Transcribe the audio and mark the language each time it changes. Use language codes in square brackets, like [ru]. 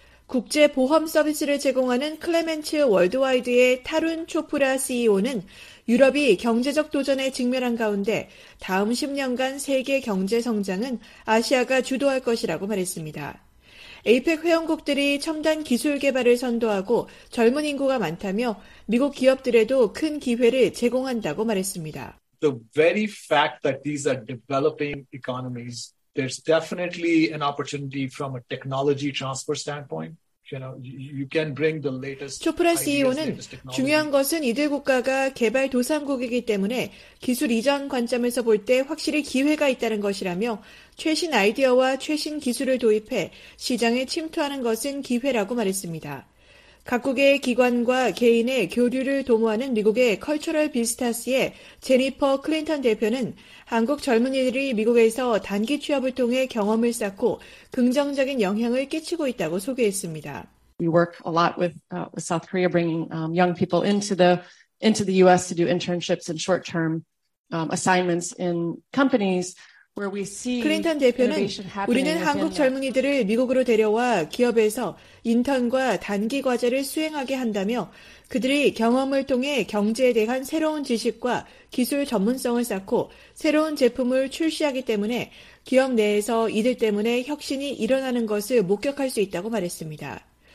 [ko] 국제 보험 서비스를 제공하는 클레멘츠 월드와이드의 타룬 초프라 CEO는 유럽이 경제적 도전에 직면한 가운데 다음 10년간 세계 경제 성장은 아시아가 주도할 것이라고 말했습니다. APEC 회원국들이 첨단 기술 개발을 선도하고 젊은 인구가 많다며 미국 기업들에도 큰 기회를 제공한다고 말했습니다. [en] The very fact that these are developing economies, there's definitely an opportunity from a technology transfer standpoint. You know, you can bring the latest. [ko] 초프라 CEO는 중요한 것은 이들 국가가 개발 도상국이기 때문에 기술 이전 관점에서 볼 때 확실히 기회가 있다는 것이라며 최신 아이디어와 최신 기술을 도입해 시장에 침투하는 것은 기회라고 말했습니다. 각국의 기관과 개인의 교류를 도모하는 미국의 컬처럴 비스타스의 제니퍼 클린턴 대표는 한국 젊은이들이 미국에서 단기 취업을 통해 경험을 쌓고 긍정적인 영향을 끼치고 있다고 소개했습니다. [en] We work a lot with South Korea bringing young people into the US to do internships and short-term assignments in companies. [ko] 클린턴 대표는 우리는 한국 젊은이들을 미국으로 데려와 기업에서 인턴과 단기 과제를 수행하게 한다며 그들이 경험을 통해 경제에 대한 새로운 지식과 기술 전문성을 쌓고 새로운 제품을 출시하기 때문에 기업 내에서 이들 때문에 혁신이 일어나는 것을 목격할 수 있다고 말했습니다.